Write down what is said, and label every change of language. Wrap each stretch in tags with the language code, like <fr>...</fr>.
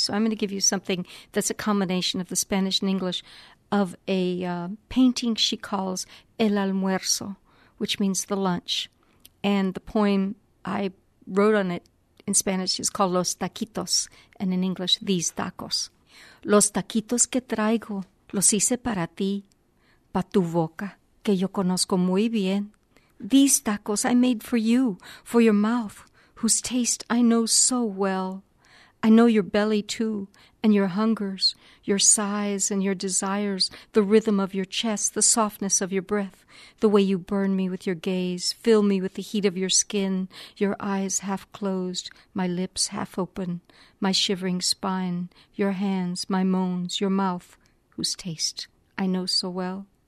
<en>So I'm going to give you something that's a combination of the Spanish and English of a painting she calls El Almuerzo, which means the lunch. And the poem I wrote on it in Spanish is called Los Taquitos, and in English, These Tacos.</en> <es>Los taquitos que traigo los hice para ti, para tu boca, que yo conozco muy bien.</es> <en>These tacos I made for you, for your mouth, whose taste I know so well. I know your belly too, and your hungers, your sighs and your desires, the rhythm of your chest, the softness of your breath, the way you burn me with your gaze, fill me with the heat of your skin, your eyes half closed, my lips half open, my shivering spine, your hands, my moans, your mouth, whose taste I know so well.</en>